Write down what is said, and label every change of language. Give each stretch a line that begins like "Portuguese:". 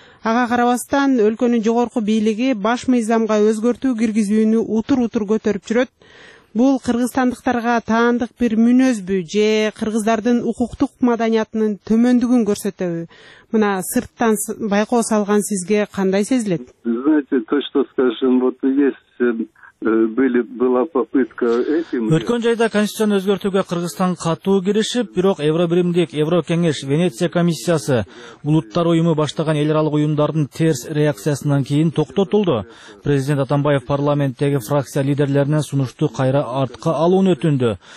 Kyrgyz: Ага карабастан өлкөнүн жогорку бийлиги баш мыйзамга өзгөртүү киргизүүнү утур-утур көтөрүп жүрөт. Бул кыргызстандыктарга таандык бир мүнөзбү же кыргыздардын укуктук маданиятынын төмөндүгүн көрсөтөбү? Мына сырттан байкоо салган сизге кандай сезилет?
Russian: Знаете, то что скажем, вот есть была попытка этим.
Kyrgyz: Өткөн жайда конституцияны өзгөртүүгө Кыргызстан катуу киришип, бирок Евробиримдик, Еврокеңеш, Венеция комиссиясы, улуттар уюму баштаган эл аралык уюмдардын терс реакциясынан кийин токтотулду. Президент Атамбаев парламенттеги фракция лидерлерине сунушту кайра артка алууну өтүндү.